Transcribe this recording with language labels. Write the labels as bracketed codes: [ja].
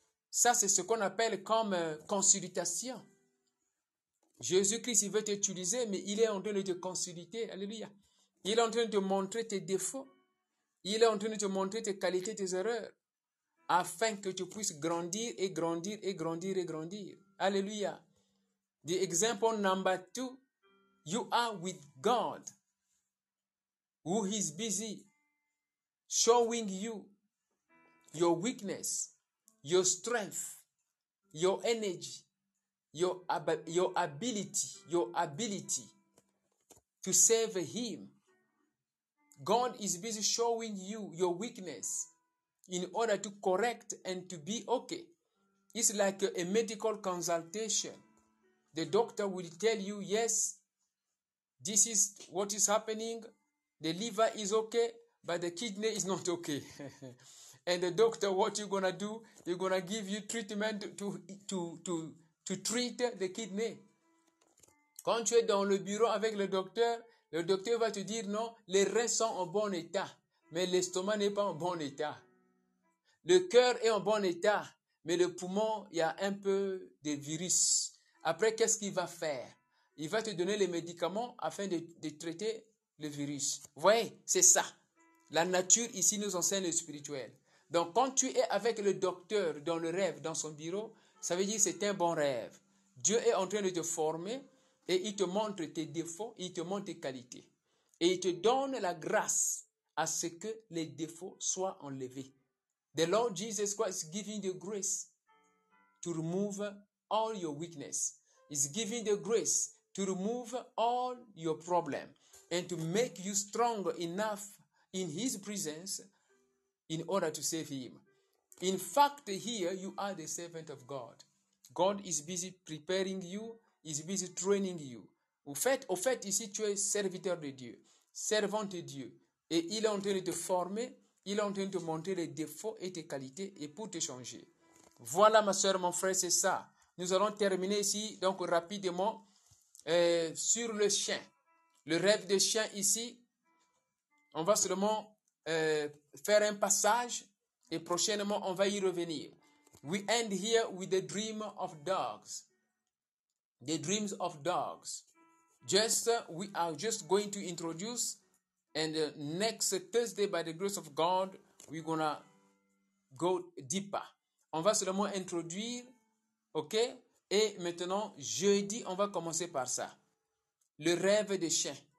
[fr] Ça, c'est ce qu'on appelle comme consultation. Jésus-Christ, il veut t'utiliser, mais il est en train de te consulter. Alléluia. Il est en train de te montrer tes défauts. Il est en train de te montrer tes qualités, tes erreurs, afin que tu puisses grandir et grandir et grandir et grandir. Alléluia. [en] The example number two, you are with God, who is busy showing you your weakness, your strength, your energy, your ability to serve Him. God is busy showing you your weakness in order to correct and to be okay. It's like a medical consultation. The doctor will tell you, yes, this is what is happening. The liver is okay, but the kidney is not okay. And the doctor, what you're going to do? They're going to give you treatment to treat the kidney. [fr] Quand tu es dans le bureau avec le docteur va te dire, non, les reins sont en bon état, mais l'estomac n'est pas en bon état. Le cœur est en bon état, mais le poumon, il y a un peu de virus. Après, qu'est-ce qu'il va faire? Il va te donner les médicaments afin de traiter le virus. Vous voyez, c'est ça. La nature ici nous enseigne le spirituel. Donc, quand tu es avec le docteur dans le rêve, dans son bureau, ça veut dire que c'est un bon rêve. Dieu est en train de te former et il te montre tes défauts, il te montre tes qualités. Et il te donne la grâce à ce que les défauts soient enlevés. [en] The Lord Jesus Christ is giving the grace to remove all your weakness. He's giving the grace to remove all your problems and to make you strong enough in His presence in order to save Him. In fact, here you are the servant of God. God is busy preparing you, is busy training you. [fr] Au fait, ici tu es serviteur de Dieu, servante de Dieu, et il est en train de te former. Il est en train de te montrer les défauts et tes qualités et pour te changer. Voilà, ma soeur, mon frère, c'est ça. Nous allons terminer ici, donc rapidement, sur le chien. Le rêve de chien ici, on va seulement faire un passage et prochainement, on va y revenir. [en] We end here with the dream of dogs. The dreams of dogs. We are just going to introduce. And next Thursday, by the grace of God, we're going to go deeper. [fr] On va seulement introduire, ok? Et maintenant, jeudi, on va commencer par ça. Le rêve de chien.